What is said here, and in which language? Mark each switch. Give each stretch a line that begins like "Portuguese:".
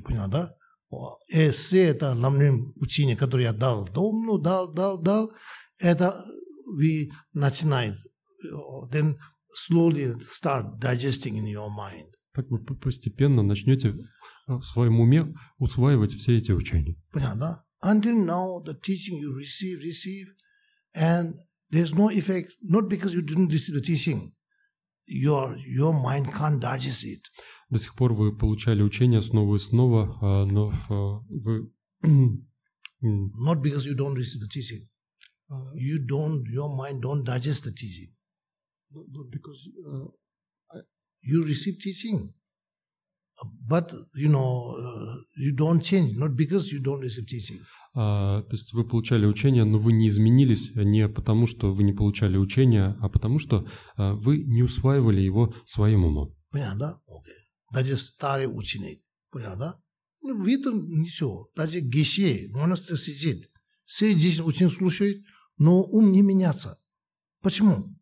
Russian: Понятно, да? И все это нам учение, которое я дал, давно дал, это вы начинаете.
English: Then slowly start digesting in your mind.
Russian: Так вы постепенно начнете в своем уме усваивать все эти учения. Понятно?
English: Until now, the teaching you receive, and there's no effect, not because you didn't receive the teaching. Your mind can't digest it.
Russian: До сих пор вы получали учение снова и снова, но вы...
English: Not because you don't receive the teaching. You don't, your mind don't digest the teaching. Not because you receive teaching. But, you know, you don't change, not because you don't receive teaching.
Russian: То есть вы получали учение, но вы не изменились не потому, что вы не получали учение, а потому что вы не усваивали его своим умом. Понятно, да? Окей. Даже старый ученик. Понятно, да? Ну, вид ничего. Даже гесе, монастырь сидит. Все здесь очень слушают, но ум не меняется. Почему?